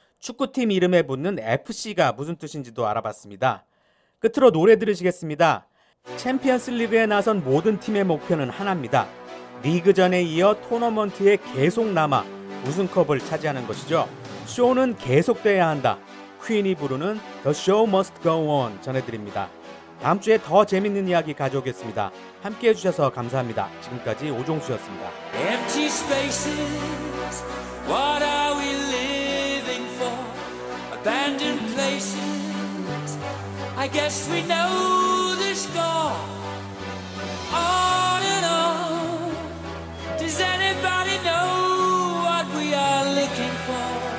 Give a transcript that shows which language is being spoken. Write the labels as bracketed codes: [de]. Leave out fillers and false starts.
[ko] 축구팀 이름에 붙는 FC가 무슨 뜻인지도 알아봤습니다. 끝으로 노래 들으시겠습니다. 챔피언스 리그에 나선 모든 팀의 목표는 하나입니다. 리그전에 이어 토너먼트에 계속 남아 우승컵을 차지하는 것이죠. 쇼는 계속돼야 한다. 퀸이 부르는 The Show Must Go On 전해드립니다. 다음 주에 더 재밌는 이야기 가져오겠습니다. 함께해 주셔서 감사합니다. 지금까지 오종수였습니다. [en] Empty spaces, what are we living for? Abandoned places, I guess we know this door. On and on, does anybody know what we are looking for?